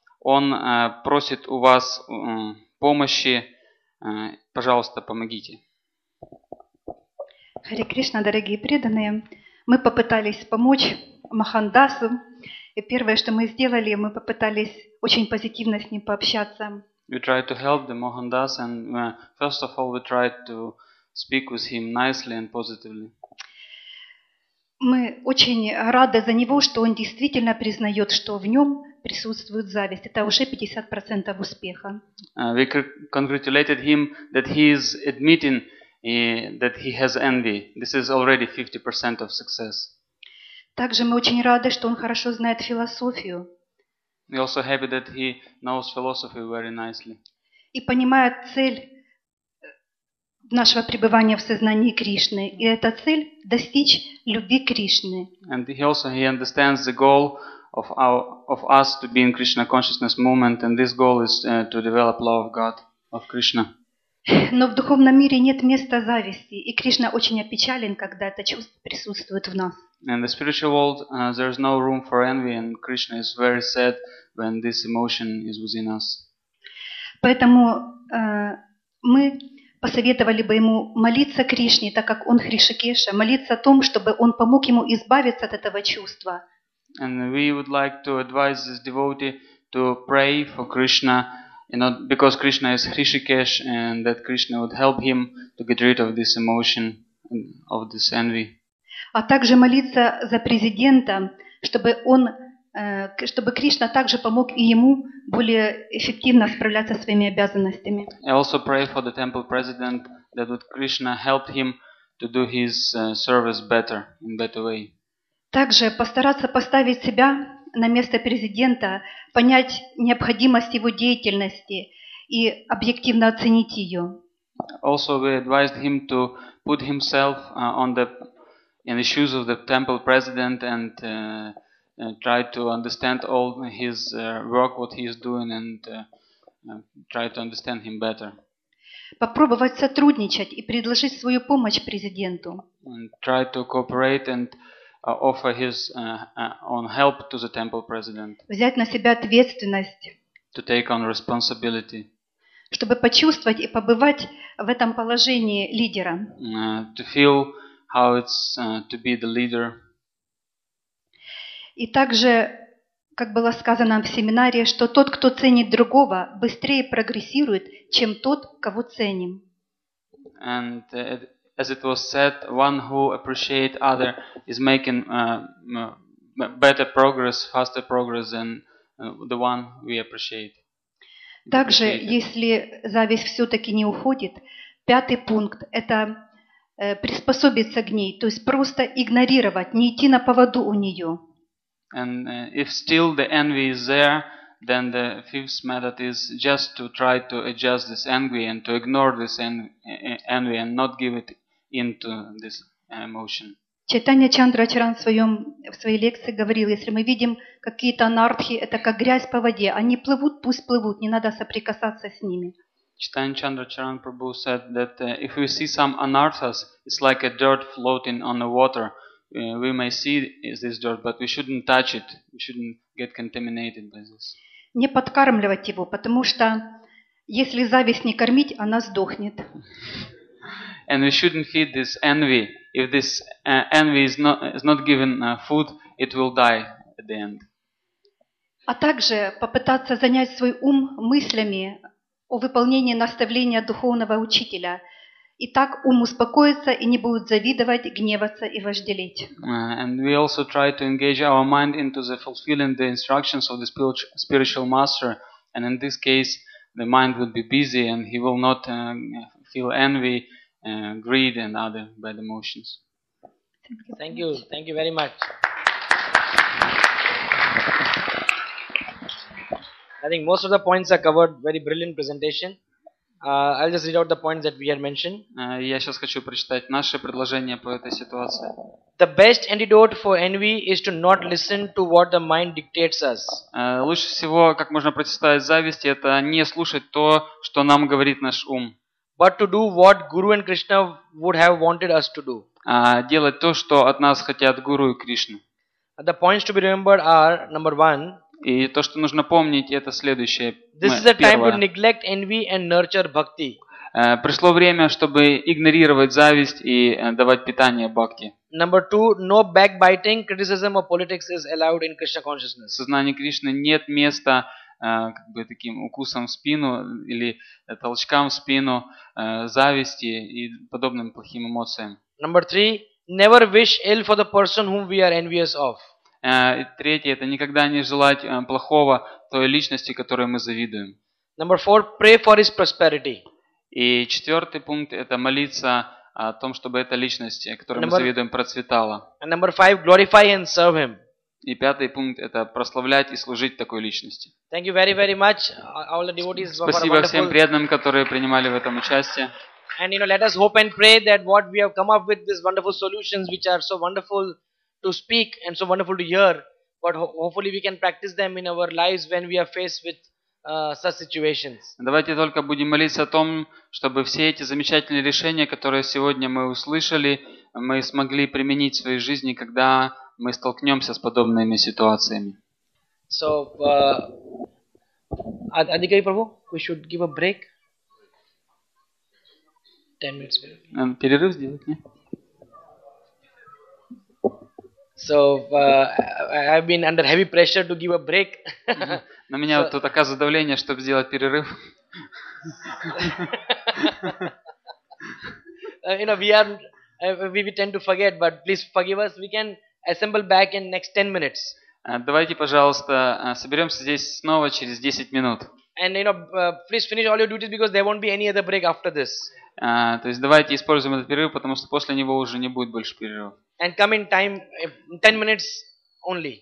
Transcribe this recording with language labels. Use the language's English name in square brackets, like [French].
[Russian] Он просит у вас помощи. Пожалуйста, помогите. Харе Кришна, дорогие преданные, мы попытались помочь Мохандасу. И первое, что мы сделали, мы попытались очень позитивно с ним пообщаться. [English] We tried to help the Mohandas and first of all we tried to speak with him nicely and positively. [Russian] Мы очень рады за него, что он действительно признает, что в нем присутствует зависть. Это уже 50% успеха. [English] We congratulated him that he is admitting that he has envy. This is already 50% of success. [Russian] Также мы очень рады, что он хорошо знает философию. [English] We also happy that he knows philosophy very nicely. [Russian] И понимает цель нашего пребывания в сознании Кришны. И эта цель – достичь любви Кришны. [English] And he also he understands the goal of our of us to be in Krishna consciousness movement, and this goal is to develop love of God, of Krishna. [Russian] Но в духовном мире нет места зависти, и Кришна очень опечален, когда это чувство присутствует в нас. [English] In the spiritual world, there is no room for envy, and Krishna is very sad when this emotion is within us. [Russian] Поэтому мы посоветовали бы ему молиться Кришне, так как он Хришикеша, молиться о том, чтобы он помог ему избавиться от этого чувства. [English] And we would like to advise this devotee to pray for Krishna, you know, because Krishna is Hrishikesh, and that Krishna would help him to get rid of this emotion, of this envy. [Russian] А также молиться за президента, чтобы он, чтобы Кришна также помог и ему более эффективно справляться со своими обязанностями. [English] I also pray for the temple president that would Krishna help him to do his service better, in better way. [Russian] Также постараться поставить себя на место президента, понять необходимость его деятельности и объективно оценить ее. [English] Also we advised him to put himself on the in the shoes of the temple president and try to understand all his work, what he is doing, and try to understand him better. [Russian] Попробовать сотрудничать и предложить свою помощь президенту. [English] And try to cooperate and offer his own help to the temple president. [Russian] Взять на себя ответственность. [English] To take on responsibility. [Russian] Чтобы почувствовать и побывать в этом положении лидера. [English] To feel how it's to be the leader. [Russian] И также, как было сказано в семинаре, что тот, кто ценит другого, быстрее прогрессирует, чем тот, кого ценим. [English] And as it was said, one who appreciate other is making better progress, faster progress than the one we appreciate. [Russian] Также, если зависть все-таки не уходит, пятый пункт – это приспособиться к ней, то есть просто игнорировать, не идти на поводу у нее. [English] And if still the envy is there, then the fifth method is just to try to adjust this envy and to ignore this envy and not give it into this emotion. [Russian] Чайтанья Чандрачаран в своей лекции говорил, если мы видим какие-то анардхи, это как грязь по воде, они плывут, пусть плывут, не надо соприкасаться с ними. [English] Чайтанья Чандрачаран Прабху said that if we see some anarthas, it's like a dirt floating on the water. We may see this dirt, but we shouldn't touch it. We shouldn't get contaminated by this. [Russian] Не подкармливать его, потому что если зависть не кормить, она сдохнет. [English] And we shouldn't feed this envy. If this envy is not given food, it will die at the end. [Russian] А также попытаться занять свой ум мыслями о выполнении наставления духовного учителя. И так ум успокоится и не будет завидовать, гневаться и вожделеть. [English] And we also try to engage our mind into the fulfilling the instructions of the spiritual master. And in this case, the mind would be busy and he will not feel envy, greed and other bad emotions. Thank you very much. I think most of the points are covered. Very brilliant presentation. I'll just read out the points that we had mentioned. [Russian] Я сейчас хочу прочитать наше предложение по этой ситуации. [English] The best antidote for envy is to not listen to what the mind dictates us. [Russian] Лучше всего, как можно противостоять зависти, это не слушать то, что нам говорит наш ум. [English] But to do what Guru and Krishna would have wanted us to do. [Russian] Делать то, что от нас хотят Гуру и Кришна. [English] The points to be remembered are, number one, [Russian] и то, что нужно помнить, это следующее. [English] This is the time to neglect envy and nurture bhakti. [Russian] Пришло время, чтобы игнорировать зависть и давать питание бхакти. [English] Number two, no backbiting, criticism or politics is allowed in Krishna consciousness. [Russian] В сознании Кришны нет места как бы таким укусом в спину или толчкам в спину, зависти и подобным плохим эмоциям. [English] Number three, never wish ill for the person whom we are envious of. [Russian] Третье, это никогда не желать плохого той личности, которой мы завидуем. [English] Number four, pray for his prosperity. [Russian] И четвертый пункт, это молиться о том, чтобы эта личность, которой мы завидуем, процветала. [English] And number five, glorify and serve him. [Russian] И пятый пункт, это прославлять и служить такой личности. [English] Thank you very, very much. All the devotees. [Russian] Спасибо всем преданным, которые принимали в этом участие. [English] And you know, let us hope and pray that what we have come up with these wonderful solutions, which are so wonderful to speak and so wonderful to hear, but hopefully we can practice them in our lives when we are faced with such situations. [Russian] Давайте только будем молиться о том, чтобы все эти замечательные решения, которые сегодня мы услышали, мы смогли применить в своей жизни, когда мы столкнемся с подобными ситуациями. [English] So, Adhikari Prabhu, we should give a break. 10 minutes. [Russian] Перерыв сделать, не? [English] So, I've been under heavy pressure to give a break. [Russian] На меня вот тут оказывается давление, чтобы сделать перерыв. [English] You know, we tend to forget, but please forgive us. We can assemble back in next 10 minutes. [Russian] Давайте, пожалуйста, соберемся здесь снова через 10 минут. [English] And you know, please finish all your duties because there won't be any other break after this. [Russian] То есть давайте используем этот перерыв, потому что после него уже не будет больше перерыва. [English] And come in time, 10 minutes only.